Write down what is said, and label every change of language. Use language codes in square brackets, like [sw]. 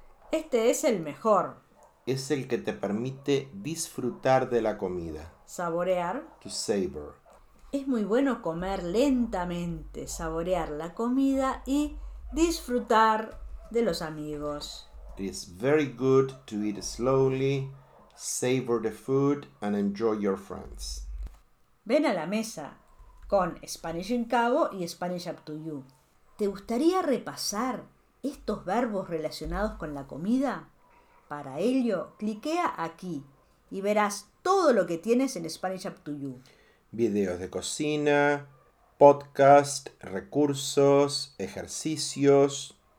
[es] Este es el mejor. Es el que te permite disfrutar de la comida. Saborear. [en] To savor. [es] Es muy bueno comer lentamente, saborear la comida y disfrutar de los amigos. [en] It is very good to eat slowly, savor the food and enjoy your friends. [es] Ven a la mesa con Spanish in Cabo y Spanish Up to You. ¿Te gustaría repasar estos verbos relacionados con la comida? Para ello, cliquea aquí y verás todo lo que tienes en Spanish Up to You. Videos de cocina, podcast, recursos, ejercicios.